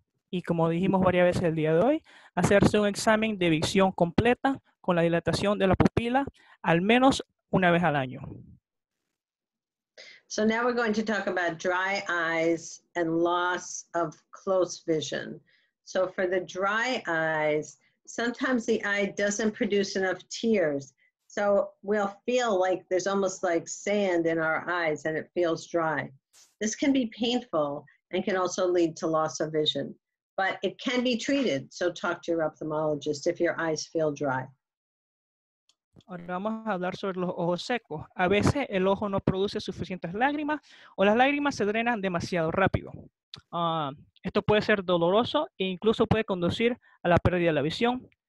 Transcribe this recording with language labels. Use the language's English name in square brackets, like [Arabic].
[Spanish] Y como dijimos varias veces el día de hoy, hacerse un examen de visión completa con la dilatación de la pupila al menos una vez al año. [English] So now we're going to talk about dry eyes and loss of close vision. So for the dry eyes, sometimes the eye doesn't produce enough tears. So we'll feel like there's almost like sand in our eyes and it feels dry. This can be painful and can also lead to loss of vision, but it can be treated. So talk to your ophthalmologist if your eyes feel dry. [Spanish] Ahora vamos a hablar sobre los ojos secos. A veces el ojo no produce suficientes lágrimas o las lágrimas se drenan demasiado rápido. Esto puede ser doloroso e incluso puede conducir a la pérdida de la visión.